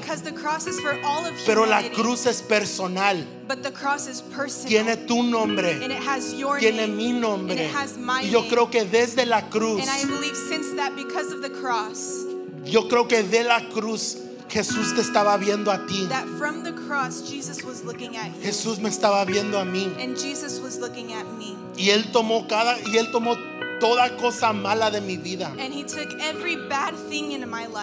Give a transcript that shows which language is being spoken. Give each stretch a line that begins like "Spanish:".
English: Because the cross is for all of humanity.
Spanish: Pero la cruz es personal.
English: But the cross is personal.
Spanish: Tiene tu nombre.
English: And it has your
Spanish: tiene
English: name.
Spanish: Mi nombre.
English: And it has my
Spanish: y yo
English: name.
Spanish: Creo que desde la cruz.
English: And I believe since that because of the cross.
Spanish: Yo creo que de la cruz Jesús te estaba viendo a ti.
English: That from the cross Jesus was looking at you.
Spanish: Jesús me estaba viendo a mí.
English: And Jesus was looking at me.
Spanish: Y él tomó toda cosa mala de mi vida.
English: And he took every bad thing into my life.